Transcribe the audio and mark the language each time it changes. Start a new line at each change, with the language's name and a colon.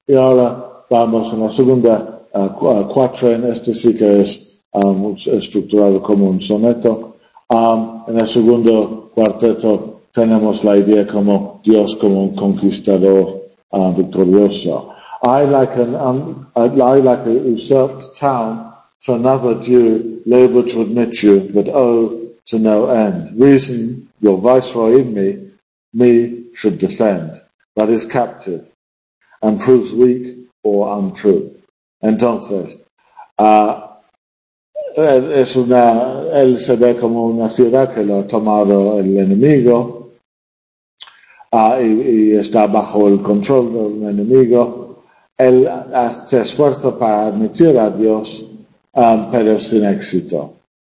Spanish: Y ahora vamos a la segunda, quatrain. Este sí que es estructurado como un soneto. En el segundo cuarteto tenemos la idea como Dios como un conquistador victorioso.
English: I like an usurped town to another Jew, labor to admit you, but oh, to no end. Reason, your viceroy in me, me should defend, that is captive, and proves weak or untrue.
Spanish: Entonces, es una, él se ve como una ciudad que lo ha tomado el enemigo, y está bajo el control del enemigo. Él hace esfuerzo para admitir a Dios, pero sin éxito.